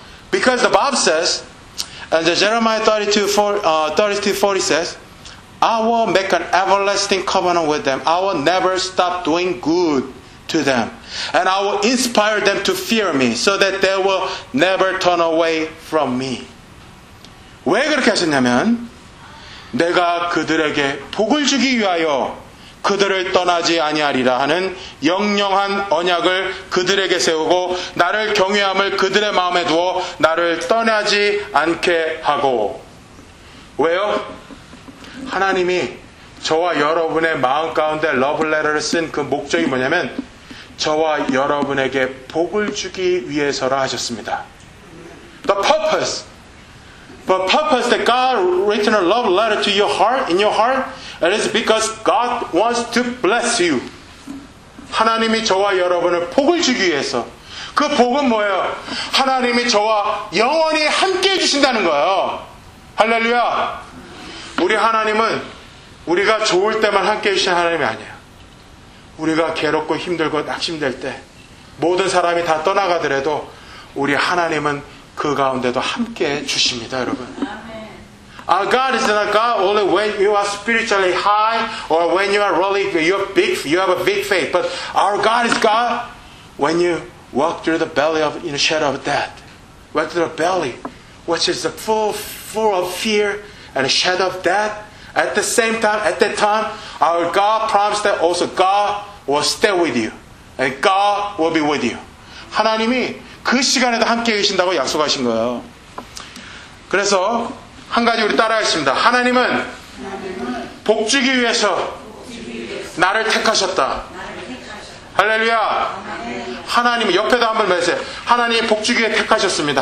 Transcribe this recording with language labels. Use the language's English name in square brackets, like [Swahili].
[English] Because the Bible says and the Jeremiah 32:40 says I will make an everlasting covenant with them. I will never stop doing good to them. And I will inspire them to fear me so that they will never turn away from me. [Korean] 왜 그렇게 하셨냐면 내가 그들에게 복을 주기 위하여 그들을 떠나지 아니하리라 하는 영영한 언약을 그들에게 세우고 나를 경외함을 그들의 마음에 두어 나를 떠나지 않게 하고. 왜요? 하나님이 저와 여러분의 마음 가운데 러브레터를 쓴 그 목적이 뭐냐면 저와 여러분에게 복을 주기 위해서라 하셨습니다. [English] The purpose that God written a love letter to your heart, in your heart, and it's because God wants to bless you. [Korean] 하나님이 저와 여러분을 복을 주기 위해서. 그 복은 뭐예요? 하나님이 저와 영원히 함께 해주신다는 거예요. 할렐루야. 우리 하나님은 우리가 좋을 때만 함께 해주신 하나님이 아니에요. 우리가 괴롭고 힘들고 낙심될 때 모든 사람이 다 떠나가더라도 우리 하나님은 그 가운데도 함께 주십니다, 여러분. [English] Our God is not a God only when you are spiritually high or when you are really big, you have a big faith. But our God is God when you walk through the belly of in the shadow of death. Walk through the belly, which is full of fear and shadow of death. At the same time, at that time, our God promised that also God will stay with you. And God will be with you. [Korean] 하나님이 그 시간에도 함께 계신다고 약속하신 거예요. 그래서 한 가지 우리 따라하겠습니다. 하나님은 복주기 위해서 나를 택하셨다. 할렐루야. 하나님은 옆에도 한번 말하세요. 하나님이 복주기에 택하셨습니다.